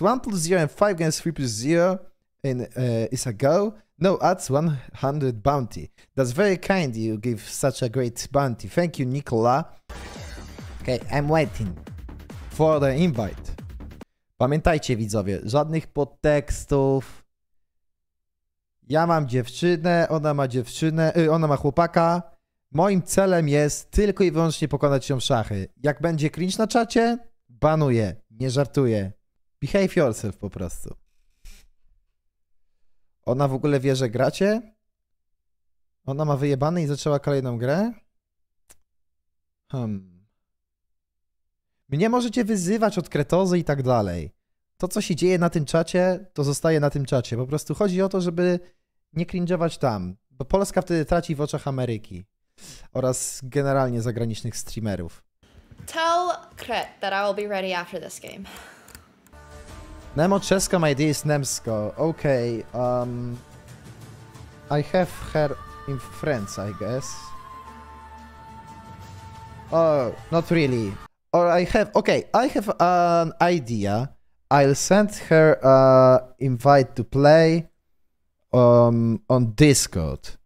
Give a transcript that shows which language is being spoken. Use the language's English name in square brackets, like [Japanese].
[English] 1 plus 0 and 5 games, 3 plus 0 in is a go. No, that's 100 bounty. That's very kind you give such a great bounty. Thank you, Nicola. Okay, I'm waiting for the invite. [Polish] Pamiętajcie widzowie, żadnych podtekstów. Ja mam dziewczynę, ona ma dziewczynę, ona ma chłopaka. Moim celem jest tylko i wyłącznie pokonać ją w szachy. Jak będzie cringe na czacie, banuję, nie żartuję. [English] Behave yourself [Polish] po prostu. Ona w ogóle wie, że gracie? Ona ma wyjebane i zaczęła kolejną grę? Mnie możecie wyzywać od kretozy i tak dalej. To, co się dzieje na tym czacie, to zostaje na tym czacie. Po prostu chodzi o to, żeby nie cringe'ować tam, bo Polska wtedy traci w oczach Ameryki oraz generalnie zagranicznych streamerów. [English] Tell Kret that I will be ready after this game. Nemo Czesko, my dear, [Polish] jest [English] Nemsko. Okay, I have her in friends, I guess. Oh, not really. Or I have, okay, I have an idea. I'll send her invite to play on Discord.